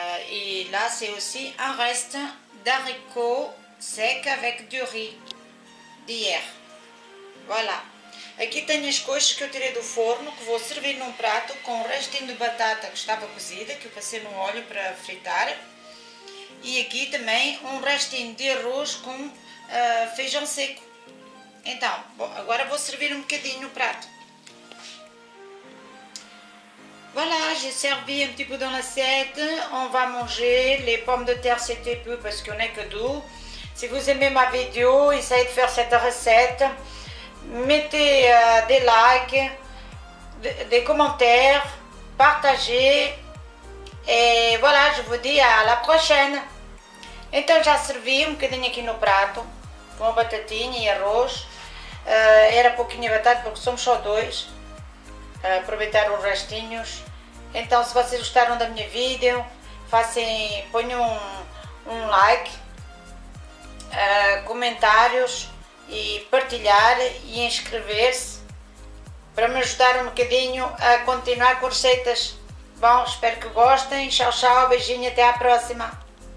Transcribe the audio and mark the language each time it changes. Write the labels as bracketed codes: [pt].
[fr] Et là, c'est aussi un reste d'haricots secs avec du riz d'hier. Voilà. [pt] Aqui tem as coxas que eu tirei do forno, que vou servir num prato com o restinho de batata que estava cozida, que eu passei no óleo para fritar. E aqui também um restinho de arroz com feijão seco. Então, bom, agora vou servir um bocadinho no prato. [fr] Voilà, j'ai servi un petit peu dans l'assiette. On va manger les pommes de terre, c'était peu parce qu'on n'est que deux. Si vous aimez ma vidéo, essayez de faire cette recette. Mettez des likes, des commentaires, partagez. Et voilà, je vous dis à la prochaine. [pt] Então, já servi um bocadinho aqui no prato, com a batatinha e arroz. Era pouquinho batata porque somos só dois. Aproveitar os restinhos. Então, se vocês gostaram da minha vídeo, ponham um like, comentários e partilhar e inscrever-se para me ajudar um bocadinho a continuar com receitas. Bom, espero que gostem. Tchau, tchau, beijinho, até à próxima.